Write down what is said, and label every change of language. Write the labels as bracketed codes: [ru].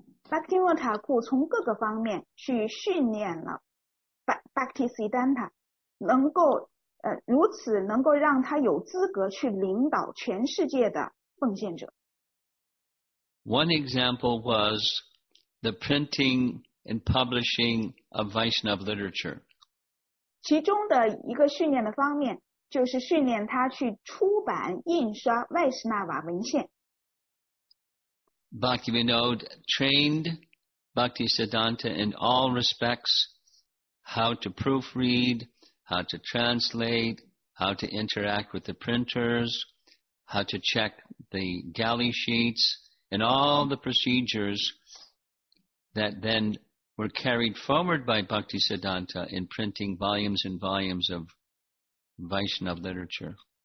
[zh] Bhaktivinoda Thakur 从各个方面去训练了 Bhaktisiddhanta 能够如此能够让他有资格去领导全世界的奉献者。 [en] One example was the printing and publishing of Vaishnava literature. [zh] 其中的一个训练的方面就是训练他去出版印刷外斯纳瓦文献。 [en] Bhaktivinoda trained Bhaktisiddhanta in all respects how to proofread, how to translate, how to interact with the printers, how to check the galley sheets, and all the procedures that thenWere carried forward by Bhaktisiddhanta in printing volumes and volumes of Vaishnava literature.